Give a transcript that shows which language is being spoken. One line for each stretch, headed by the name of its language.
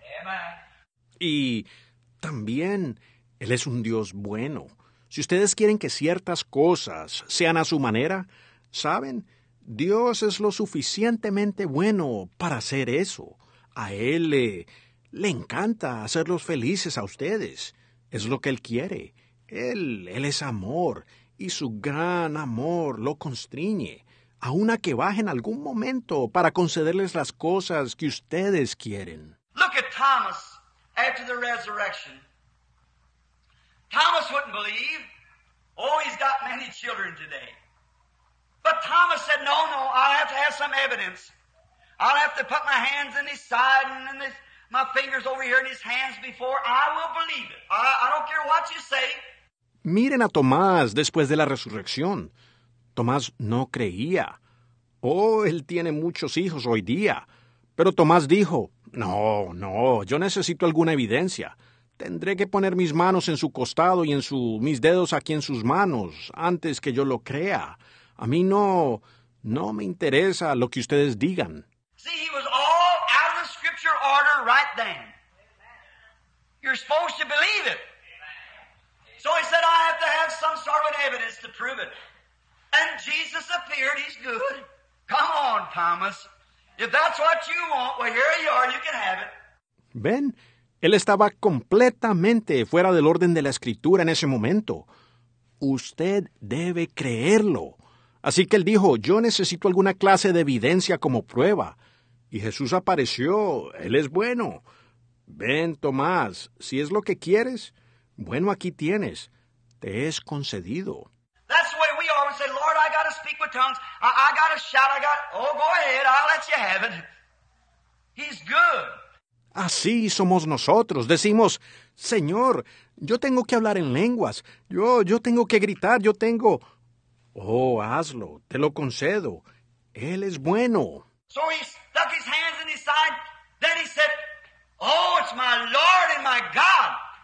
English: Amen.
Spanish: Y también, él es un Dios bueno. Si ustedes quieren que ciertas cosas sean a su manera, ¿saben? Dios es lo suficientemente bueno para hacer eso. A él le encanta hacerlos felices a ustedes. Es lo que él quiere. Él es amor, y su gran amor lo constriñe, aun a que baje en algún momento para concederles las cosas que ustedes quieren.
English: Look at Thomas after the resurrection. Thomas wouldn't believe. Oh, he's got many children today. But Thomas said, no, no, I'll have to have some evidence. I'll have to put my hands in his side and in this, my fingers over here in his hands before I will believe it. I don't care what you say.
Spanish: Miren a Tomás después de la resurrección. Tomás no creía. Oh, él tiene muchos hijos hoy día. Pero Tomás dijo, no, no, yo necesito alguna evidencia. Tendré que poner mis manos en su costado y en su, mis dedos aquí en sus manos antes que yo lo crea. A mí no, no me interesa lo que ustedes digan.
English: See, he was all out of the scripture order right then. You're supposed to believe it. So he said, I have to have some sort of evidence to prove it. And Jesus appeared, he's good. Come on, Thomas. If that's what you want, well, here you are, you can have it.
Spanish: Ben, él estaba completamente fuera del orden de la escritura en ese momento. Usted debe creerlo. Así que él dijo, yo necesito alguna clase de evidencia como prueba. Y Jesús apareció, él es bueno. Ven, Tomás, si es lo que quieres, bueno, aquí tienes, te es concedido.
English: That's the way we always say, Lord, I gotta speak with tongues, I gotta shout, I got, oh, go ahead, I'll let you have it. He's good.
Spanish: Así somos nosotros, decimos, Señor, yo tengo que hablar en lenguas, yo tengo que gritar, yo tengo, oh, hazlo, te lo concedo, él es bueno.
English: So he stuck his hands in his side, then he said, oh, it's my Lord and my God.